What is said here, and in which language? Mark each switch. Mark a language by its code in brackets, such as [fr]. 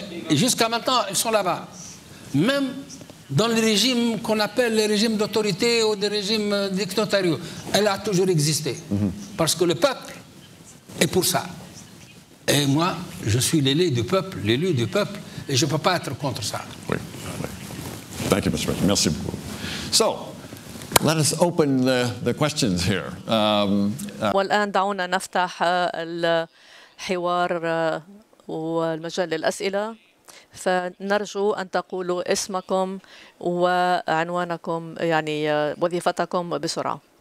[fr] Et jusqu'à maintenant, ils sont là-bas. Même dans les régimes qu'on appelle les régimes d'autorité ou des régimes dictatoriaux, elle a toujours existé. Parce que le peuple est pour ça. Et moi, je suis l'élu du peuple, et je ne peux pas être contre ça. [en] Oui. Thank you, Mr. President. [fr] Merci beaucoup. [en] So, let us open the questions here. [ar] والآن دعونا نفتح الحوار والمجال للأسئلة. فنرجو أن تقولوا اسمكم وعنوانكم، يعني وظيفتكم بسرعة.